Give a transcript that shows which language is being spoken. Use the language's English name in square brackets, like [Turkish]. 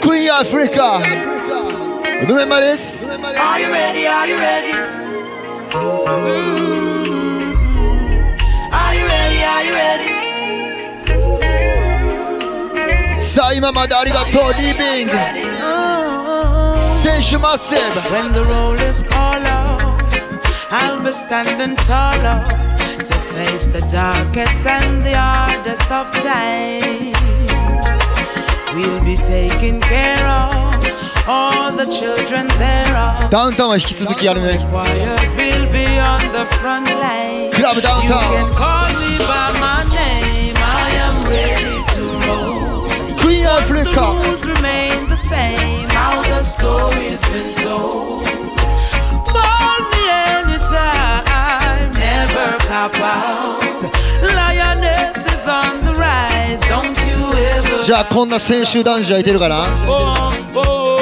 [English] Queen Africa! Remember this? Are you ready? Are you ready? Are you ready? Are you ready? [Japanese] さあ今までありがとう、リビング選手マッセージ。 [English] When the road is all out, I'll be standing taller to face the darkest and the hardest of times. We'll be taking care of all the children thereof. [Japanese] ダウンタウンは引き続きやるね。 [English] We'll be on the front line. [Japanese] クラブダウンタウン。 [English] You can call me by my name, I am ready to roll Africa. Once the rules remain the same, how the story's been told. Call me anytime, never cop out. Lioness is on the rise, don't you ever. [Japanese] じゃあこんな選手男子はいてるかな。